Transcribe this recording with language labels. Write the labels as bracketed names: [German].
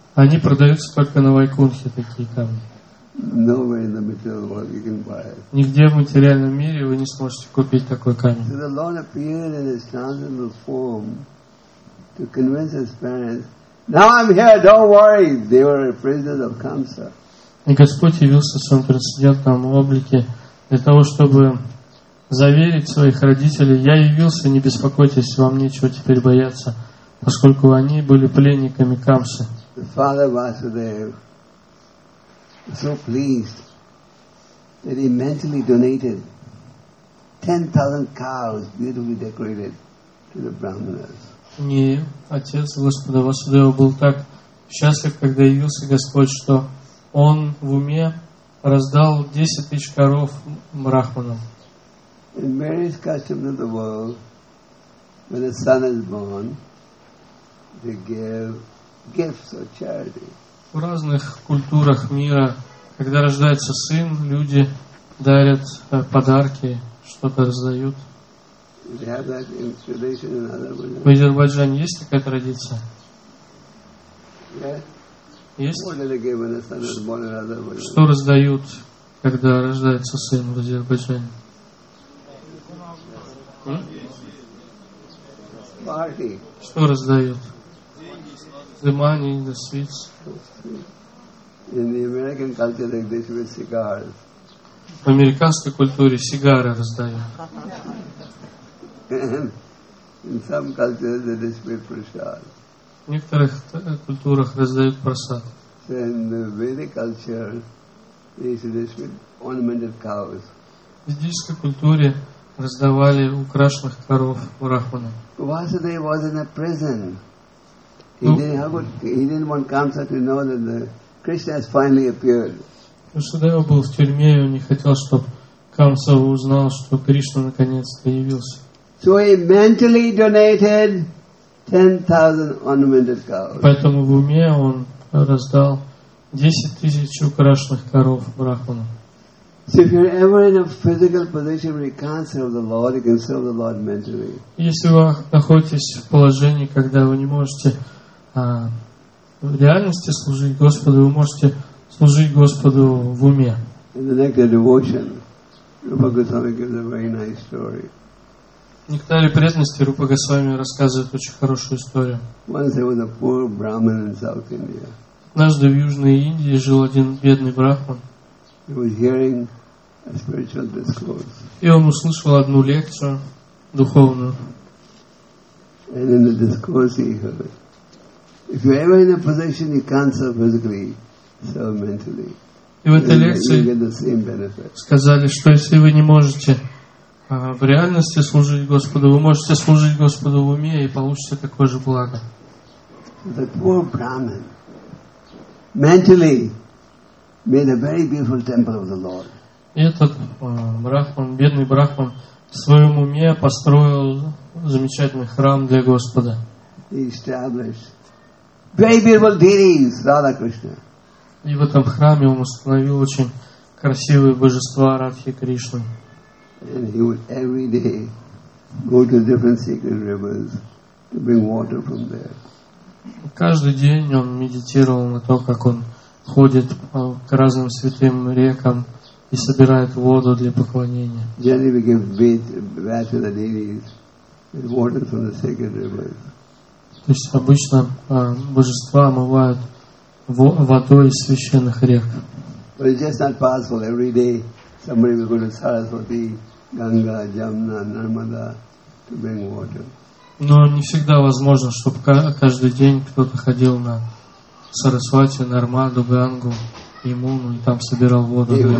[Russian] Они продаются только на Вайкунхе, такие камни. [English] Nowhere in the material world you can buy it. [Russian] Нигде в материальном мире вы не сможете купить такой камень. [English] So the Lord appeared in his transcendental form to convince his parents. Now I'm here, don't worry. They were prisoners of Kamsa. [Russian] И Господь явился в своем трансцендентном облике для того, чтобы заверить своих родителей: я явился, не беспокойтесь, вам нечего теперь бояться, поскольку они были пленниками Камсы. [English] The father Vasudev was so pleased that he mentally donated 10,000 cows beautifully decorated to the Brahmanas. [Russian] Не, отец Господа Васудева был так счастлив, когда явился Господь, что он в уме раздал 10,000 коров брахманам. [English] In various customs of the world, when a son is born, they give gifts or charity. [Russian] В разных культурах мира, когда рождается сын, люди дарят подарки, что-то раздают. [English] They have that in tradition in other religions. [Russian] В Азербайджане есть такая традиция? [English] Yes. What do they give when a son is born in other religions? [Russian] Что раздают, когда рождается сын в Азербайджане? [English] Party. [Russian] Что раздают? [English] The money, the sweets. In the American culture, like this, with cigars. [Russian] В американской культуре сигары раздают. [English] In some cultures, they distribute prasad. [Russian] В некоторых культурах раздают прасад. [English] In the Vedic culture, they distribute ornamented cows. [Russian] В ведической культуре раздавали украшенных коров брахманам. [English] Vasudev was in a prison. He didn't want Kamsa to know that the Krishna has finally appeared. [Russian] Vasudeva был в тюрьме, и он не хотел, чтобы Камса узнал, что Кришна наконец-то явился. [English] So he mentally donated 10,000 ornamented cows. [Russian] Поэтому в уме он раздал 10,000 украшенных коров брахманам. [English] So if you're ever in a physical position where you can't serve the Lord, you can serve the Lord mentally. [Russian] Если вы находитесь в положении, когда вы не можете в реальности служить Господу, вы можете служить Господу в уме. [English] In the nectar devotion, Rupa Goswami gives a very nice story. [Russian] В нектаре преданности Рупа Госвами рассказывает очень хорошую историю. [English] Once there was a poor Brahmin in South India. [Russian] Однажды в Южной Индии жил один бедный брахман. [English] He was hearing a spiritual discourse. [Russian] И он услышал одну лекцию духовную. [English] And in the discourse he heard, if you're ever in a position you can't serve physically, serve mentally. [Russian] И в этой лекции сказали, что если вы не можете в реальности служить Господу, вы можете служить Господу в уме и получите такое же благо. [English] The poor Brahmin, mentally, made a very beautiful temple of the Lord. [Russian] Этот брахман, бедный брахман, в своем уме построил замечательный храм для Господа. [English] He established very beautiful deities, Radha Krishna. [Russian] И в этом храме он установил очень красивые божества Радхи Кришны. [English] And he would every day go to different sacred rivers to bring water from there. [Russian] Каждый день он медитировал на то, как он ходит к разным святым рекам и собирает воду для поклонения. [English] Generally we give bath to the deities with water from the sacred rivers. [Russian] То есть обычно божества омывают водой из священных рек. [English] But it's just not possible. Every day somebody will go to Saraswati, Ganga, Jamna, Narmada to bring water. [Russian] Но не всегда возможно, чтобы каждый день кто-то ходил на Сарасвати, Нармаду, Гангу, Ямуну и там собирал воду для